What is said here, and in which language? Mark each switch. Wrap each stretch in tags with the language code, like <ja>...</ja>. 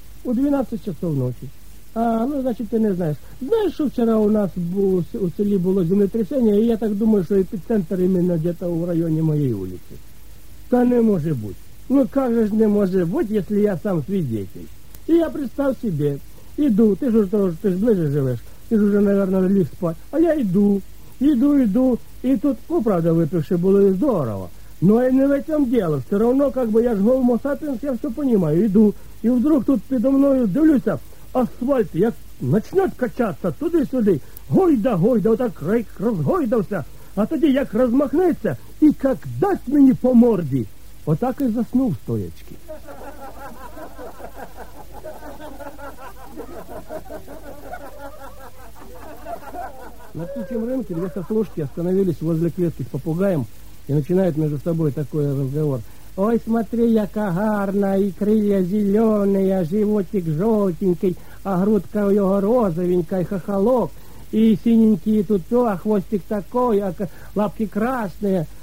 <uk>У 12 часов ночі. А, ну, значить, ти не знаєш. Знаєш, що вчора у нас у селі було землетрясення, і я так думаю, що епіцентр іменно десь у районі моєї вулиці. Та не може бути. Ну, кажеш, не може бути, якщо я сам свідетель. І я представ собі, іду, ти ж ближе живеш, ти ж вже, мабуть, ліг спати. А я йду, іду, іду.</uk> <ru>И тут, ну, правда, выпивши было и здорово. Но и не в этом дело. Все равно, как бы, я же гомо сапиенс, я все понимаю, иду. И вдруг тут передо мною,</ru> <uk>дивлюся, асфальт, як</uk> <ru>начнет качаться туди-сюди. Гойда-гойда, вот так</ru> <uk>разгойдався. А тоді, як размахнеться,</uk> <ru>и как дать мені по морді. Вот так и</ru> <uk>заснув стоячки.</uk> <ru>На птичьем рынке две сослушки остановились возле клетки с попугаем и начинают между собой такой разговор: «Ой, смотри,</ru> <uk>яка гарна,</uk> <ru>и крылья зеленые, а животик желтенький, а грудка у него розовенькая, и хохолок, и синенький тут, то, а хвостик такой, а лапки красные».</ru>